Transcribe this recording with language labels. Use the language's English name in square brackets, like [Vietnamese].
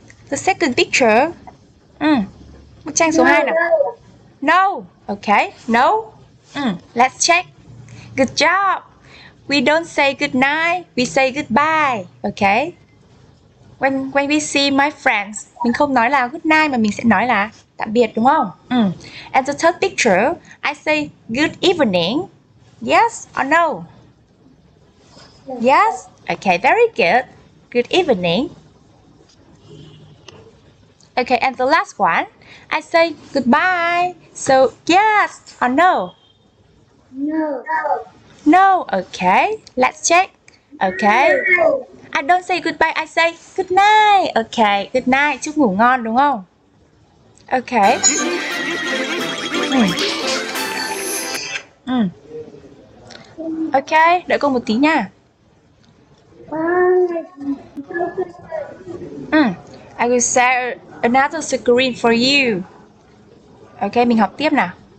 [English] The second picture. [Vietnamese] Bức tranh số 2 nào. [English] No. Okay. No. Let's check. Good job. We don't say good night. We say goodbye. Okay. When we see my friends, [Vietnamese] mình không nói là good night mà mình sẽ nói là tạm biệt đúng không? [English] And the third picture, I say good evening. Yes or no? Yes. Okay. Very good. Good evening. Okay, and the last one, I say goodbye. So, yes or no? No. No, okay. Let's check. Okay. No. I don't say goodbye, I say good night. Okay, good night. [Vietnamese] Chúc ngủ ngon, đúng không? [English] Okay. [Vietnamese] Okay, đợi cô một tí nha. [English] Bye. I will say Another screen for you. Ok, [Vietnamese] mình học tiếp nào.